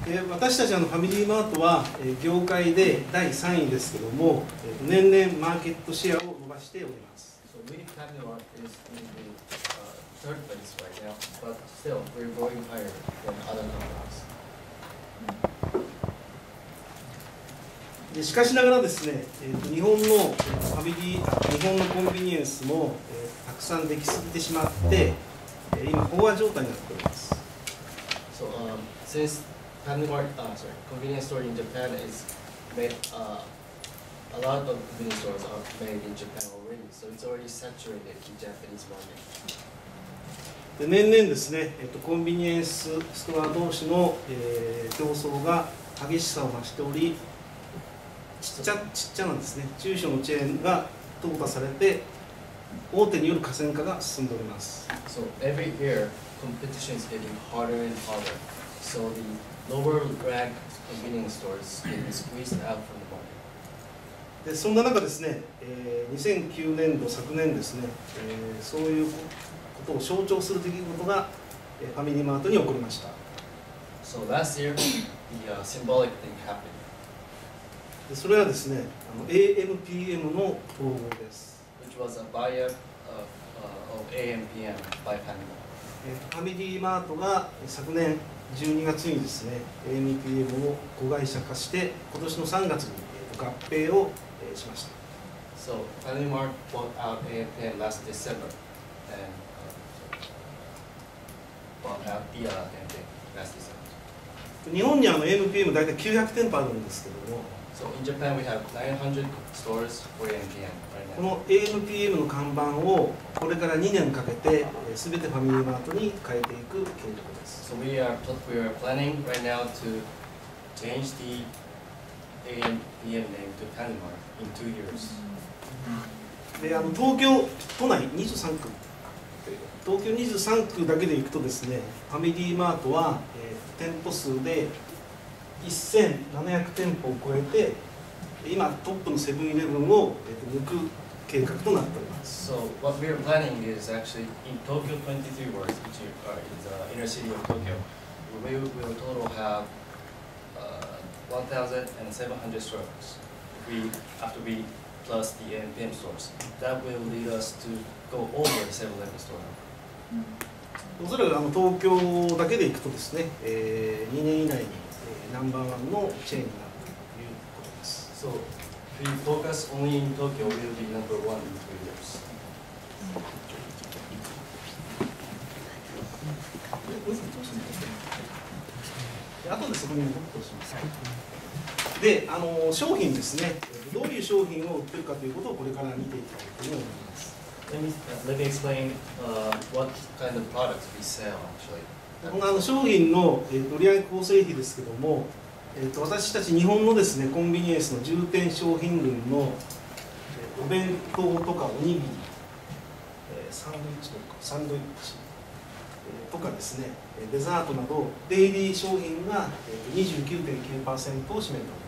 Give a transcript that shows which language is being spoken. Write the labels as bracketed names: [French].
[Japanese] 私たちファミリーマートは業界で第3位ですけども、年々マーケットシェアを伸ばしております。 [English] So, we Family Mart is in the third place right now, but still we're going higher than other companies. [Japanese] しかしながらですね、日本のファミリー、日本のコンビニエンスも、たくさんできすぎてしまって、今飽和状態になっております。 [English] So, since Family Mart, convenience store in Japan is made, a lot of convenience stores are made in Japan already, so it's already saturated in Japanese market. [Japanese] 年々ですね、コンビニエンスストア同士の、競争が激しさを増しており、ちっちゃなんですね、中小のチェーンが淘汰されて、大手による寡占化が進んでおります。 [English] So every year, competition is getting harder and harder. So the lower rank convenience stores get squeezed out from the market. [Japanese] でそんな中ですね、2009年度、昨年ですね、そういうことを象徴する出来事が、ファミリーマートに起こりました。 [English] So last year, the symbolic thing happened. [Japanese] それはですね、AMPM の統合です。 [English] Which was a buyer of AMPM by Family Mart. [Japanese] ファミリーマートが昨年12月にですね、AMPM を子会社化して、今年の3月に合併をしました。 [English] So, Family Mart bought out AMPM last December. And, bought out the AMPM last December. [Japanese] 日本にAMPM 大体900店舗あるんですけども、 [English] So in Japan we have 900 stores for AMPM right now. [Japanese] この AMPM の看板をこれから2年かけて全てファミリーマートに変えていく計画です。 [English] So we are planning right now to change the AMPM name to Family Mart in 2 years. [Japanese] で、東京都内23区。東京23区だけで行くとですね、ファミリーマートは、店舗数で1700店舗を超えて、今トップのセブンイレブンを抜く計画となっております。 [English] So what we are planning is actually in Tokyo 23 wards, which are in the inner city of Tokyo, we will total have 1,700 stores. We after we plus the AMPM stores, that will lead us to go over 7-Eleven store. [Japanese] おそらく東京だけで行くとですね、2年以内に。ナンバーワンのチェーンになるということです。 [English] So, if we focus only in Tokyo, we'll be number one in 3 years. [Japanese] あとでそこにもっとします。で、商品ですね。どういう商品を売ってるかということをこれから見ていきたいと思います。 [English] Let me explain what kind of products we sell, actually. [Japanese] 商品の売上構成比ですけども、私たち日本のですね、コンビニエンスの重点商品群のお弁当とかおにぎり、サンドイッチとかですね、デザートなど、デイリー商品が 29.9% を占めております。